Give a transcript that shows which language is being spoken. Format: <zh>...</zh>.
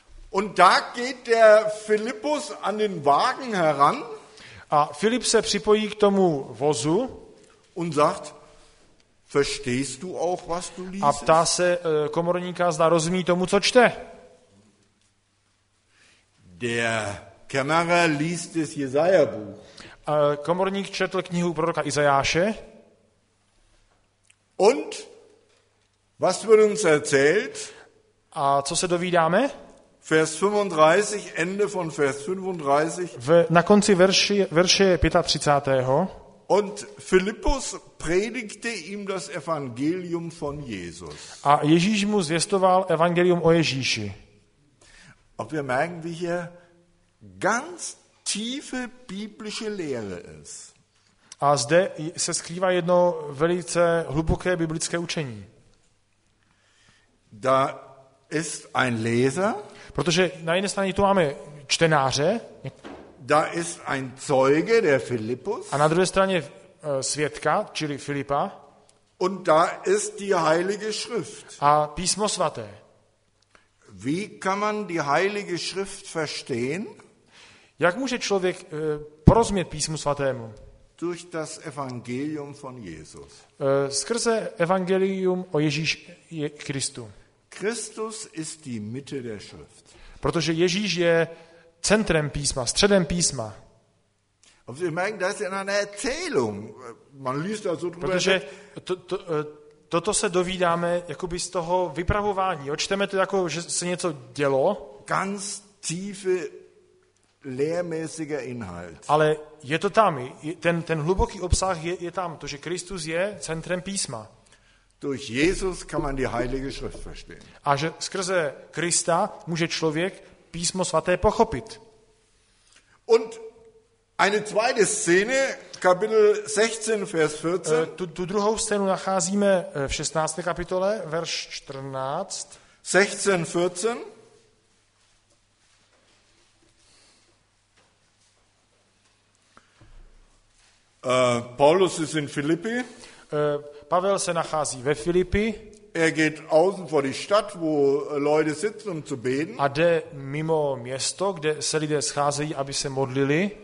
<de>Und da geht der Philippus an den Wagen heran.</de> <cs>A Filip se připojí k tomu vozu.</cs> <de>Und sagt, verstehst du auch, was du liest?</de> <cs>A ptá se komorníka, zda rozumí tomu, co čte.</cs> <de>Der Kämmerer liest das Jesaja-Buch.</de> <cs>Komorník četl knihu proroka Izajáše.</cs> <de>Und was wird uns erzählt?</de> <cs>A co se dovídáme?</cs> <de>Vers 35, Ende von Vers 35.</de> <cs>Na konci verše 35.</cs> <de>Und Philippus predigte ihm das Evangelium von Jesus.</de> <cs>A Ježíš mu zvěstoval evangelium o Ježíši.</cs> <de>Ob wir merken, wie hier ganz tiefe biblische Lehre ist.</de> <cs>A zde se skrývá jedno velice hluboké biblické učení.</cs> <de>Da ist ein Leser.</de> <cs>Protože na jedné straně tu máme čtenáře.</cs> <de>Da ist ein Zeuge, der Philippus.</de> <cs>A na druhé straně svědka, čili Filipa.</cs> <de>Und da ist die Heilige Schrift.</de> <cs>A písmo svaté.</cs> <de>Wie kann man die Heilige Schrift verstehen?</de> <cs>Jak může člověk porozumět písmu svatému?</cs> <de>Durch das Evangelium von Jesus.</de> <cs>Skrze evangelium o Ježíši Kristu.</cs> <de>Christus ist die Mitte der Schrift.</de> <cs>Protože Ježíš je centrem písma, středem písma.</cs> <de>Ob Sie merken, das ist in einer Erzählung. Man liest da so drüber.</de> <cs>Protože toto se dovídáme jakoby z toho vypravování. Čteme to jako, že se něco dělo.</cs> <de>Ganz tiefe lehrmäßiger Inhalt.</de> <cs>Ale je to tam, ten hluboký obsah je tam, to, že Kristus je centrem písma.</cs> <de>Durch Jesus kann man die Heilige Schrift verstehen.</de> <cs>A že skrze Krista může člověk písmo svaté pochopit.</cs> <de>Und eine zweite Szene, Kapitel 16, Vers 14.</de> <cs>Tu druhou scénu nacházíme v 16. kapitole, verš 14.</cs> <de>16, 14. Paulus ist in Philippi.</de> <cs>Pavel se nachází ve Filipi.</cs> <de>Er geht außen vor die Stadt, wo Leute sitzen, um zu beten.</de> <cs>A jde mimo město, kde se lidé scházejí, aby se modlili.</cs>